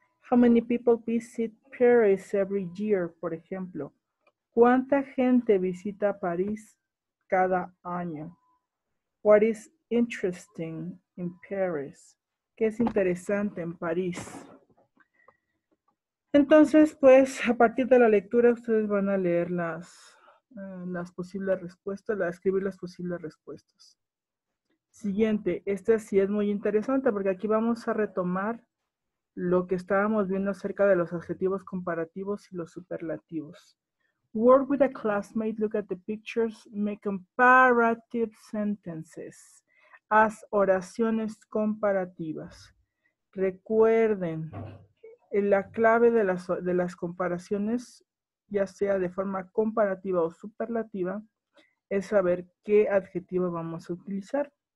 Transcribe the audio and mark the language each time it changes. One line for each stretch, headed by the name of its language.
English: How many people visit Paris every year,
Spanish: por ejemplo? ¿Cuánta gente visita París cada año?
English: What is interesting in Paris?
Spanish: ¿Qué es interesante en París? Entonces, pues, a partir de la lectura, ustedes van a leer las posibles respuestas, a escribir las posibles respuestas. Siguiente, este sí es muy interesante porque aquí vamos a retomar lo que estábamos viendo acerca de los adjetivos comparativos y los superlativos.
English: Work with a classmate, look at the pictures, make comparative sentences.
Spanish: Haz oraciones comparativas. Recuerden, la clave de las comparaciones, ya sea de forma comparativa o superlativa, es saber qué adjetivo vamos a utilizar.